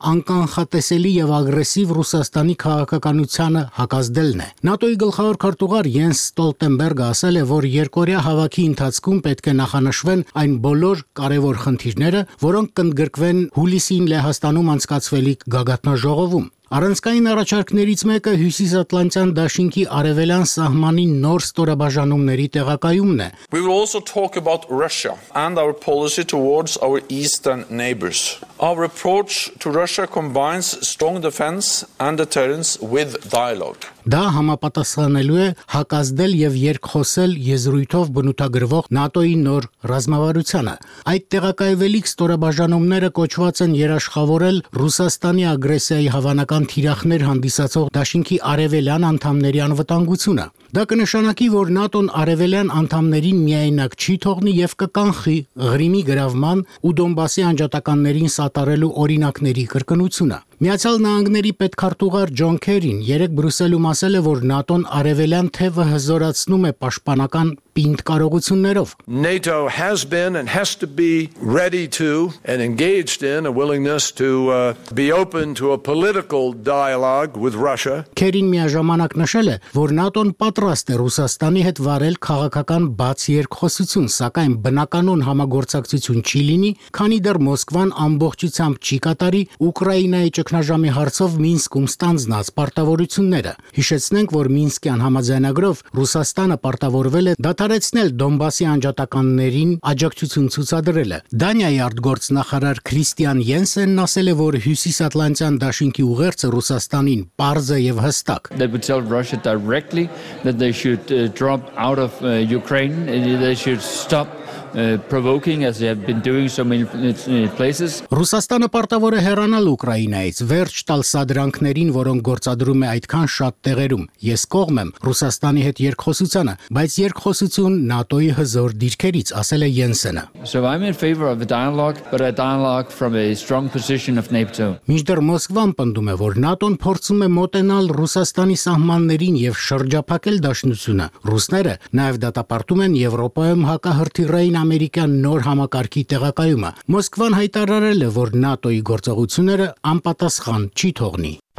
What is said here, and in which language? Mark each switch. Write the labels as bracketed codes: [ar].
[hy] անկանխատեսելի եւ ագրեսիվ Ռուսաստանի քաղաքականությանը հակազդելն է։ ՆԱՏՕ-ի գլխավոր քարտուղար Յենս Ստոլտենբերգը ասել է, որ երկօրյա հավաքի ընթացքում պետք է նախանշվեն այն բոլոր կարևոր խնդիրները, որոնք կընդգրկվեն հուլիսին Լեհաստանում անցկացվելիք գագաթնաժողովում։ Առանցքային առաջարկներից մեկը Հյուսիսատլանտյան Դաշինքի արևելյան սահմանի նոր ստորաբաժանումների տեղակայումն է։ [en] We will also talk about Russia and our policy towards our eastern neighbors. Our approach to Russia combines strong defense and deterrence with dialogue. [hy] Դա համապատասխանելու է հակազդել եւ երկխոսել եզրույթով բնութագրվող ՆԱՏՕ-ի նոր ռազմավարությանը։ Այդ տեղակայվելիք ստորաբաժանումները կոչված են երաշխավորել Ռուսաստանի ագրեսիայի հավանական թիրախներ հանդիսացող Դաշինքի արևելյան անդամների անվտանգությունը։ Դա կնշանակի, որ ՆԱՏՕ-ն արևելյան անդամներին միայնակ չի թողնի եւ կկանխի Ղրիմի գրավման ու Դոնբասի անջատականներին սատարելու օրինակների կրկնությունը։ Միացյալ Նահանգների պետքարտուղար Ջոն Քերին երեկ Բրյուսելում ասել է, որ ՆԱՏՕ-ն արևելյան թևը հզորացնում է պաշտպանական պինդ կարողություններով. [en] NATO has been and has to be ready to and engaged in a willingness to be open to a political dialogue with Russia. [hy] Քերին միաժամանակ նշել է, որ ՆԱՏՕ-ն պատրաստ է Ռուսաստանի հետ վարել քաղաքական բաց երկխոսություն, սակայն բնականոն համագործակցություն չի լինի, քանի դեռ Մոսկվան ամբողջությամբ չի կատարի Ուկրաինայի ճգնաժամի հարցով Մինսկում ստանձնած պարտավորությունները։ Հիշեցնենք, որ Մինսկյան համաձայնագրով Ռուսաստանը պարտավորվել է դադարեցնել Դոնբասի անջատականներին աջակցություն ցուցադրելը։ Դանիայի արտգործնախարար Քրիստիան Յենսենն ասել է, որ Հյուսիսատլանտյան Դաշինքի ուղերձը Ռուսաստանին պարզ է եւ հստակ։ [en] They would tell Russia directly that they should drop out of Ukraine and they should stop provoking as they have been doing so many places. [hy] Ռուսաստանը պարտավոր է հեռանալ Ուկրաինայից, վերջ տալ սադրանքներին, որոնք գործադրում է այդքան շատ տեղերում։ Ես կողմ եմ Ռուսաստանի հետ երկխոսությանը, բայց երկխոսություն ՆԱՏՕ-ի հզոր դիրքերից, ասել է Յենսենը։ [en] So I'm in favor of a dialogue, but a dialogue from a strong position of NATO. [hy] Մինչդեռ Մոսկվան պնդում է, որ ՆԱՏՕ-ն փորձում է մոտենալ Ռուսաստանի սահմաններին եւ շրջափակել Դաշնությունը։ Ռուսները նաեւ դատապարտում են Եվրոպայում հակահրթիռային Ամերիկյան նոր համակարգի տեղակայումը։ Մոսկվան հայտարարել է, որ ՆԱՏՕ-ի գործողությունները անպատասխան չի թողնի։